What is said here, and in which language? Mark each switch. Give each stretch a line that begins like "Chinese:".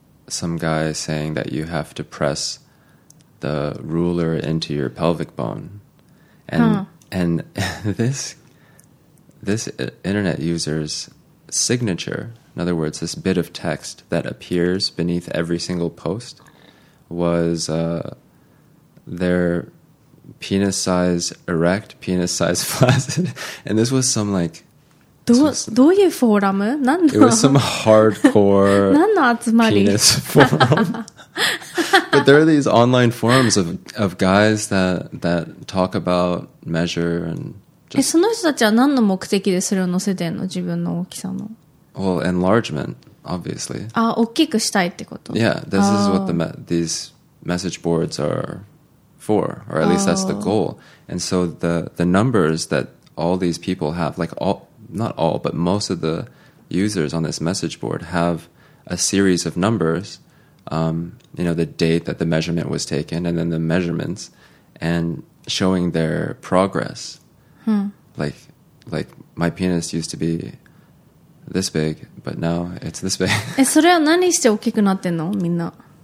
English: some guy saying that you have to press the ruler into your pelvic bone, and and this internet user'signature, in other words, this bit of text that appears beneath every single post, was their penis size erect, penis size flaccid, and this was some like...
Japanese: どういうフォーラム？何の？
English: It was some hardcore
Japanese: 何の集まり？
English: penis forum. But there are these online forums of guys that talk about measure and...
Japanese: え、その人たちは何の目的でそれを載せてんの、自分の大きさの。
English: Well, enlargement, obviously.
Japanese: あ、大きくしたいってこと。
English: Yeah, this is what these message boards are for, or at least that's the goal. And so the numbers that all these people have, like all, not all, but most of the users on this message board have a series of numbers, you know, the date that the measurement was taken, and then the measurements, and showing their progress. Like my penis used to be this big, but now it's this big.
Japanese: え、それは何して大きくなってんの、みんな。